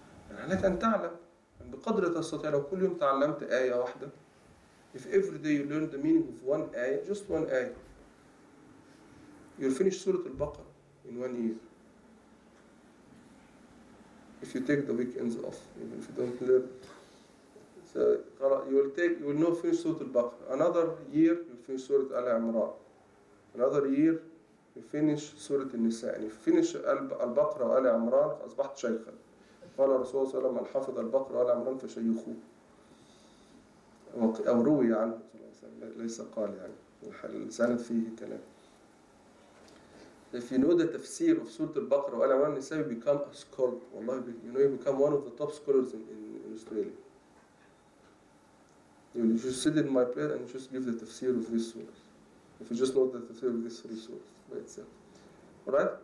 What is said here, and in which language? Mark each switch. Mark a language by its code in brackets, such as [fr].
[ar] يعني عليك أن تعلم بقدر تستطيع. لو كل يوم تعلمت آية واحدة, [en] if every day you learn the meaning of one ayah, just one ayah, you'll finish Surah Al-Baqarah in 1 year. If you take the weekends off, even if you don't learn, you will not finish Surah Al-Baqarah. Another year, you'll finish Surah Al-Imran. Another year, you finish Surah Al-Nisa. And if you finish Al-Baqarah Al-Imran, [ar] أصبحت شيخا. قال رسول الله صلى الله عليه وسلم الحافظ البقرة Al-Imran فشيخه. أو روي عنه صلى الله عليه وسلم, ليس قال يعني, السند فيه كلام. [en] If you know the tafsir of Surah Al-Baqarah وآل عمران النساء, you become a scholar. والله, you know, you become one of the top scholars in Australia. You just sit in my place and just give the tafsir of this surah. If you just know the tafsir of this three surahs by itself. Alright?